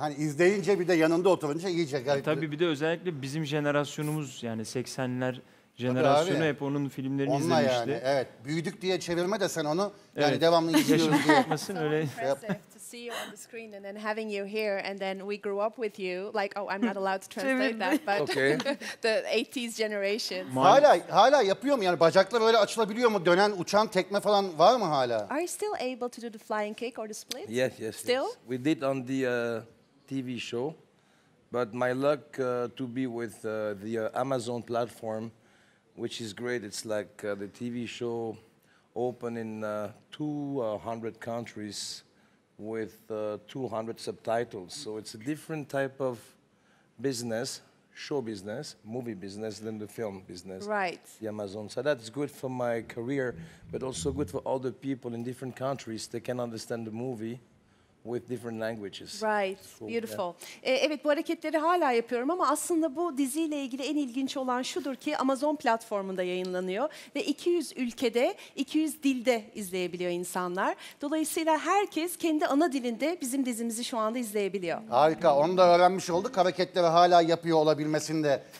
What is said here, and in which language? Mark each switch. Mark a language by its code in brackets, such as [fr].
[tr] Hani izleyince bir de yanında oturunca iyice garip. Tabii bir de özellikle bizim jenerasyonumuz yani 80'ler jenerasyonu hep onun filmlerini onunla izlemişti. Yani, evet. Büyüdük diye çevirme de sen onu yani evet. Devamlı izliyorsun diye. Yaşamışmasın öyle. [en] See you on the screen and then having you here and then we grew up with you. Like, oh, I'm not allowed to translate that, but the 80s generation. [tr] Hala yapıyor mu? Yani bacaklar böyle açılabiliyor mu? Dönen, uçan tekme falan var mı hala? [en] Are you still able to do the flying kick or the split? Yes. Still? Yes. We did on the TV show, but my luck to be with the Amazon platform, which is great. It's like the TV show open in 200 countries. With 200 subtitles, so it's a different type of business, show business, movie business, than the film business. Right. The Amazon. So that's good for my career, but also good for other people in different countries. They can understand the movie with different languages. Right. So, beautiful. Yeah. [tr] Evet, bu hareketleri hala yapıyorum ama aslında bu diziyle ilgili en ilginç olan şudur ki Amazon platformunda yayınlanıyor ve 200 ülkede, 200 dilde izleyebiliyor insanlar. Dolayısıyla herkes kendi ana dilinde bizim dizimizi şu anda izleyebiliyor. Harika. Onu da öğrenmiş olduk. Hareketleri hala yapıyor olabilmesinde.